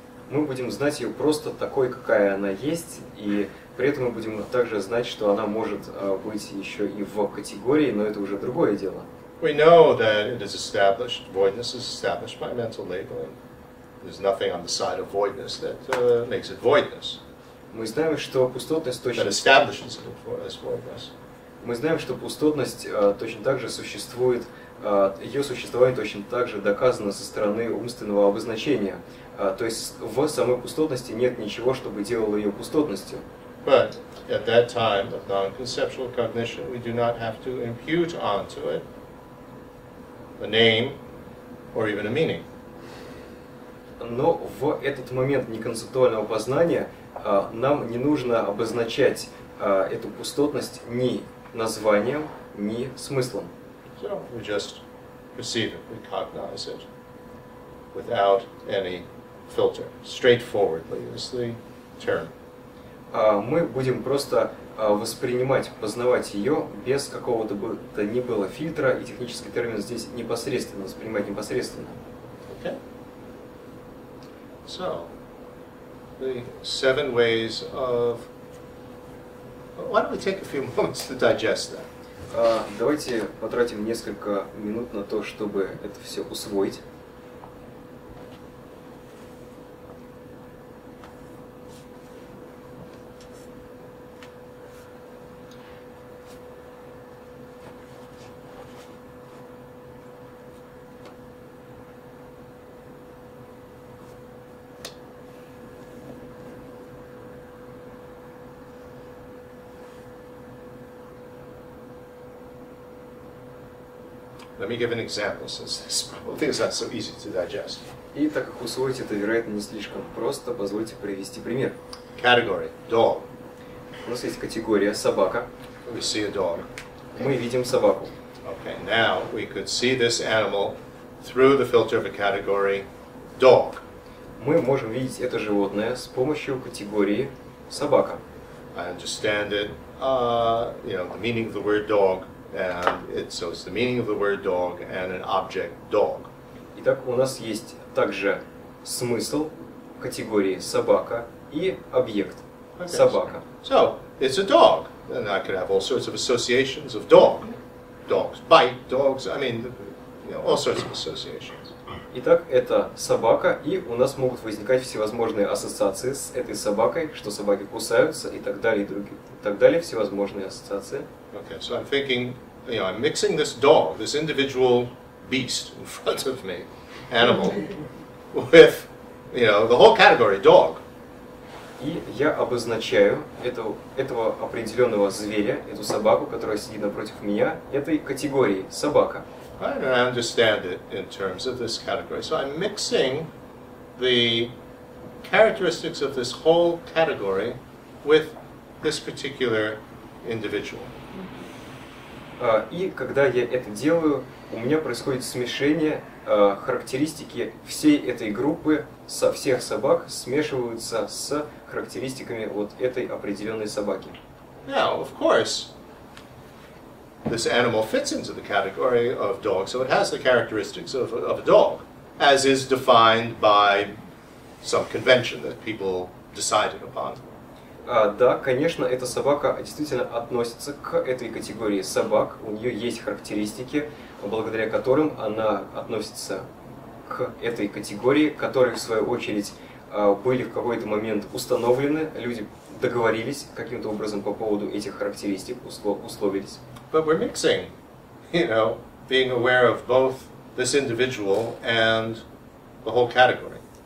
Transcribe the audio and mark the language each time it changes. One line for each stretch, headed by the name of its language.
Russian: Мы будем знать ее просто такой, какая она есть, и при этом мы будем также знать, что она может быть еще и в категории, но это уже другое дело.
English: We know that it is established. Voidness is established by mental labeling. There's nothing on the side of voidness that makes it voidness.
Russian: Мы знаем, что пустотность точно...
English: That establishes it for us, more or less.
Russian: Мы знаем, что пустотность точно так же существует, ее существование точно так же доказано со стороны умственного обозначения. То есть в самой пустотности нет ничего, чтобы делало ее пустотностью.
English: But at that time of non-conceptual cognition, we do not have to impute onto it a name or even a meaning.
Russian: Но в этот момент неконцептуального познания нам не нужно обозначать эту пустотность ни названием, ни смыслом.
English: So we just perceive it, we cognize it without any filter. Straightforwardly is the term.
Russian: Мы будем просто воспринимать, познавать ее без какого-то бы то ни было фильтра, и технический термин здесь непосредственно, воспринимать непосредственно.
English: Okay. So, the seven ways of... Why don't we take a few moments to digest that?
Russian: Давайте потратим несколько минут на то, чтобы это все усвоить.
English: Let me give an example, since this probably is not so easy to digest.
Russian: И так как усвоить это, вероятно, не слишком просто, позвольте привести пример.
English: Category. Dog.
Russian: У нас есть категория собака.
English: We see a dog.
Russian: Мы видим собаку.
English: Okay, now we could see this animal through the filter of a category dog.
Russian: Мы можем видеть это животное с помощью категории собака.
English: I understand it, the meaning of the word dog. And it's the meaning of the word dog and an object dog.
Russian: Итак, у нас есть также смысл категории собака и объект собака.
English: So it's a dog, and I could have all sorts of associations of dog, dogs bite, dogs. I mean, all sorts of associations.
Russian: Итак, это собака, и у нас могут возникать всевозможные ассоциации с этой собакой, что собаки кусаются и так далее, всевозможные ассоциации.
English: Okay, so I'm thinking, I'm mixing this dog, this individual beast in front of me, animal, with, the whole category, dog.
Russian: И я обозначаю этого определенного зверя, эту собаку, которая сидит напротив меня, этой категории, собака.
English: I don't understand it in terms of this category. So I'm mixing the characteristics of this whole category with this particular individual.
Russian: И когда я это делаю, у меня происходит смешение характеристики всей этой группы со всех собак смешиваются с характеристиками вот этой определенной собаки.
English: Now, of course, this animal fits into the category of dog, so it has the characteristics of a dog, as is defined by some convention that people decided upon.
Russian: Да, конечно, эта собака действительно относится к этой категории собак. У нее есть характеристики, благодаря которым она относится к этой категории, которые, в свою очередь, были в какой-то момент установлены. Люди договорились каким-то образом по поводу этих характеристик, условились.
English: But we're mixing, being aware of both this individual and the whole category.